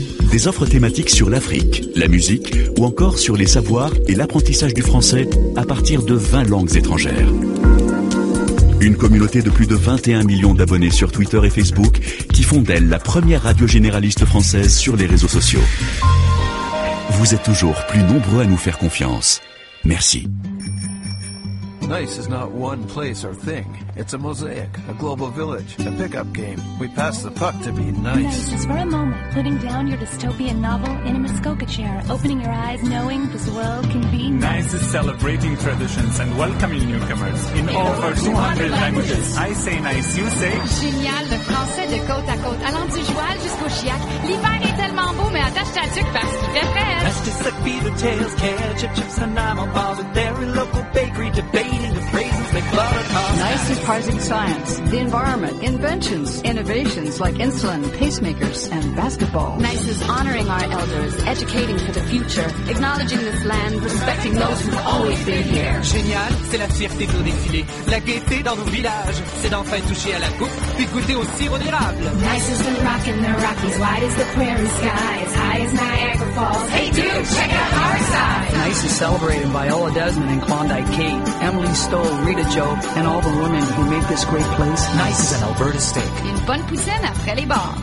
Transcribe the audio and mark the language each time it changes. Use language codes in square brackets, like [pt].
[fr] Des offres thématiques sur l'Afrique, la musique ou encore sur les savoirs et l'apprentissage du français à partir de 20 langues étrangères. Une communauté de plus de 21 millions d'abonnés sur Twitter et Facebook qui font d'elle la première radio généraliste française sur les réseaux sociaux. Vous êtes toujours plus nombreux à nous faire confiance. Merci. [en] Nice is not one place or thing. It's a mosaic, a global village, a pickup game. We pass the puck to be nice. Nice is for a moment, putting down your dystopian novel in a Muskoka chair, opening your eyes, knowing this world can be nice. Nice is celebrating traditions and welcoming newcomers in over 200 languages. I say nice, you say? [fr] Génial, le français de côte à côte, allant du joual jusqu'au chiac. L'hiver est tellement beau, mais attache ta tuque parce qu'il fait frais. [en] Mississippi, the tails, ketchup, chips, and animal balls, a dairy local bakery debate. Nice is prizing science, the environment, inventions, innovations like insulin, pacemakers, and basketball. Nice is honoring our elders, educating for the future, acknowledging this land, respecting those who've always been here. [fr] Génial, c'est la fierté de nos défilés, la gaieté dans nos villages, c'est d'enfin toucher à la coupe, puis goûter au sirop d'érable. [en] Nice is the rock in the Rockies, wide as the prairie sky, as high as Niagara Falls. Hey dude, check out our side. Nice is celebrating Viola Desmond and Klondike Kate, Emily Stoll, Rita Joe, and all the women who make this great place. Nice is an Alberta steak. [fr] Une bonne poutine après les bars.